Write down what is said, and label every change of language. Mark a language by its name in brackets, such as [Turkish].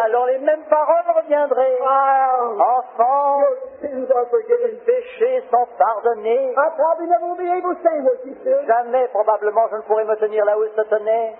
[French] Alors les mêmes paroles reviendraient. Wow. Enfant, [English] your sins are forgiven. [French] Les péchés sont pardonnés. [English] I probably never will be able to stand where she stood. [French] Jamais, probablement, je ne pourrai me tenir là où se tenait.